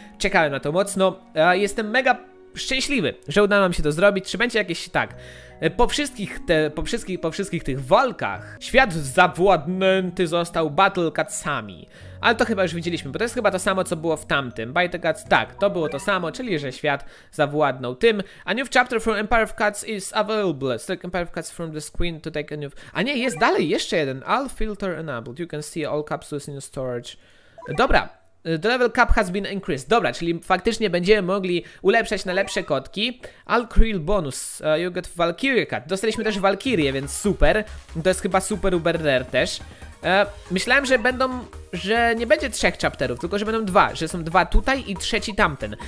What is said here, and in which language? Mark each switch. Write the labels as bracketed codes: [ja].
[pl] Czekałem na to mocno. Jestem mega... szczęśliwy, że udało nam się to zrobić. Czy będzie jakieś tak? Po wszystkich tych walkach świat zawładnięty został Battle Catsami. Ale to chyba już widzieliśmy, bo to jest chyba to samo, co było w tamtym. By the Cats, tak, to było to samo, czyli że świat zawładnął tym. [en] A new chapter from Empire of Cats is available. Select Empire of Cats from the screen to take a new... [pl] A nie, jest dalej, jeszcze jeden. [en] All filter enabled. You can see all capsules in your storage. [pl] Dobra. [en] The level cap has been increased. [pl] Dobra, czyli faktycznie będziemy mogli ulepszać na lepsze kotki. [en] All creel bonus. You get Valkyrie cut. [pl] Dostaliśmy też Valkyrie, więc super. To jest chyba super uber rare też. Myślałem, że będą... że nie będzie trzech chapterów, tylko że będą dwa. Że są dwa tutaj i trzeci tamten.